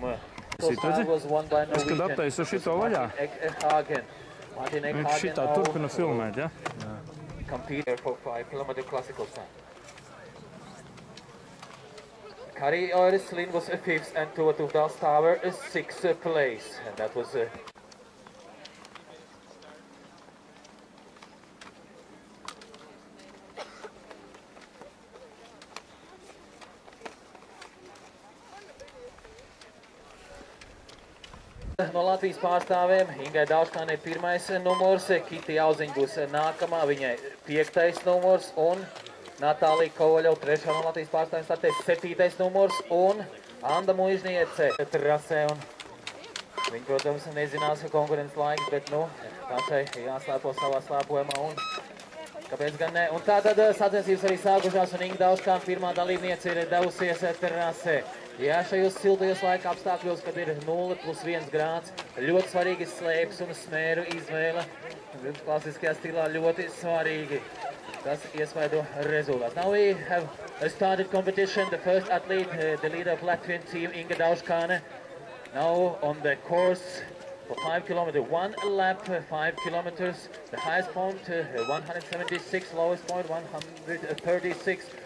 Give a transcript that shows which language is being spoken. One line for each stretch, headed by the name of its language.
English: was won by Norwegian. Martin Eckhagen competed for 5 kilometer classical time. Kari Öreslin was a 5th and Tuva Tufdal Stavar a 6th place. And that was a no
Latvian: Latvijas pārstāvēm Ingai Daužkānei pirmais numurs, Kiti Auziņa būs nākamā, viņai 5. numurs un Natālija Kovaļova 3. no Latvijas pārstāvēm starties 7. numurs un Anda Muižniece trasē un viņa, protams, nezinās konkurences laiku, bet nu pašai jāslēpo savā slēpojumā un kāpēc gan ne. Un tātad sacensības arī sākušās un Inga Daužkāna pirmā dalībniece ir devusies trasē. Jā, šajos siltajos laika apstākļos, kad ir 0 plus 1 grāds, ļoti svarīgi slēpes un smēru izvēle. Jums klasiskajā stilā ļoti svarīgi. Tas iespaido rezultāts.
English: Now we have started competition. The first athlete, the leader of Latvian team, Inga Daužkāne. Now on the course for 5 kilometers, one lap, 5 kilometers. The highest point, 176, lowest point, 136.